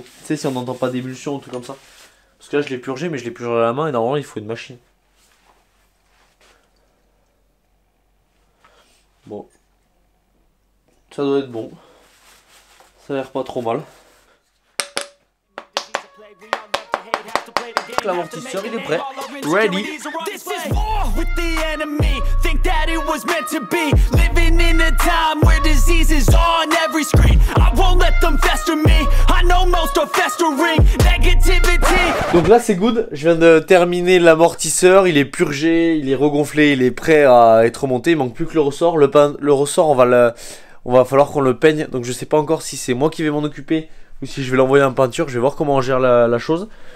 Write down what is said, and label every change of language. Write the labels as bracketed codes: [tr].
[fr] tu sais, si on n'entend pas d'émulsion ou tout comme ça. Parce que là je l'ai purgé mais je l'ai purgé à la main et normalement il faut une machine. Bon. Ça doit être bon. Ça a l'air pas trop mal. L'amortisseur il est prêt. [en] Ready. This is war with the enemy. Think that it was meant to be. Living in a time where disease is on every screen. I won't let them fester me. I know most are festering. Negativity. [fr] Donc là c'est good. Je viens de terminer l'amortisseur. Il est purgé, il est regonflé, il est prêt à être remonté. Il manque plus que le ressort. Le ressort, on va falloir qu'on le peigne. Donc je sais pas encore si c'est moi qui vais m'en occuper ou si je vais l'envoyer en peinture. Je vais voir comment on gère la chose.